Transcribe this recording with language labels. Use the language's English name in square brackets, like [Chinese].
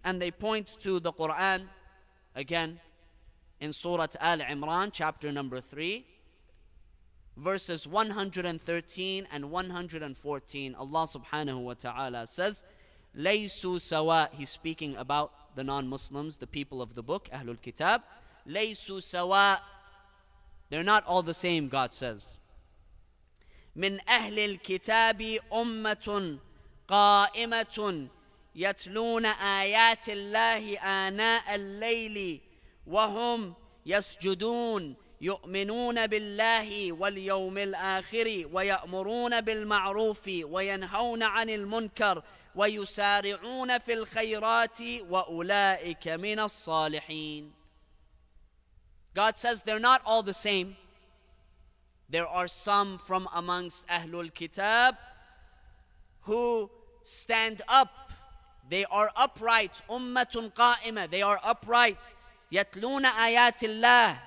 [English] And they point to the Quran, again, in Surah Al-Imran, chapter number 3, verses 113 and 114. Allah subhanahu wa ta'ala says, [Arabic] لَيْسُ سَوَى. [English] He's speaking about the non-Muslims, the people of the book, Ahlul Kitab. [Arabic] لَيْسُ سَوَى. [English] They're not all the same, God says. [Arabic] مِنْ أَهْلِ الْكِتَابِ أُمَّةٌ قَائِمَةٌ يَتْلُونَ آيَاتِ اللَّهِ آنَاءَ اللَّيْلِ وَهُمْ يَسْجُدُونَ يؤمنون بالله واليوم الآخر ويأمرون بالمعروف وينهون عن المنكر ويسارعون في الخيرات وأولئك من الصالحين. [English] God says they're not all the same. There are some from amongst Ahlul Kitab who stand up. They are upright. [Arabic] أُمَّةٌ قَائِمَةٌ. [English] They are upright. [Arabic] يَتْلُونَ آيَاتِ اللَّهِ.